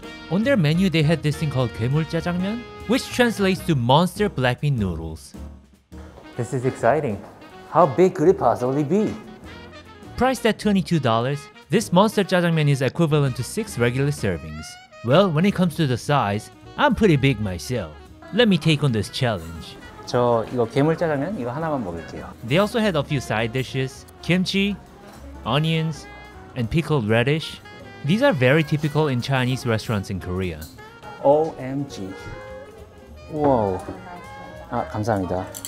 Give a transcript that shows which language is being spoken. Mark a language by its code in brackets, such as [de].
[en] On their menu, they had this thing called 괴물짜장면, which translates to monster black bean noodles. This is exciting. How big could it possibly be? Priced at $22, this monster jjajangmyeon is equivalent to 6 regular servings. Well, when it comes to the size, I'm pretty big myself. Let me take on this challenge. [ko] 저 이거 괴물짜장면 이거 하나만 먹을게요. [en] They also had a few side dishes, kimchi, onions, and pickled radish. These are very typical in Chinese restaurants in Korea. OMG. Wow. [ko] 아, 감사합니다.